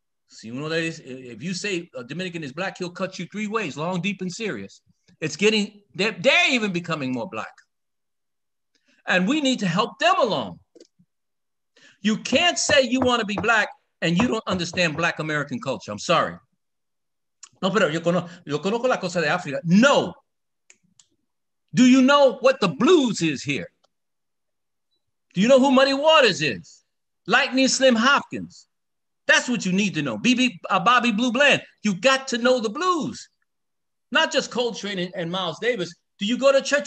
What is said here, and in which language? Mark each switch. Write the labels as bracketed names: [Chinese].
[Spanish] Si uno de esos, [English] if you say a Dominican is black, he'll cut you three ways, long, deep, and serious. It's getting, they're even becoming more black. And we need to help them along. You can't say you want to be black and you don't understand black American culture. I'm sorry. [Spanish] No, pero yo conozco la cosa de África. No. [English] Do you know what the blues is here? Do you know who Muddy Waters is? Lightning Slim Hopkins. That's what you need to know. Bobby Blue Bland. You got to know the blues. Not just Coltrane and Miles Davis. Do you go to church?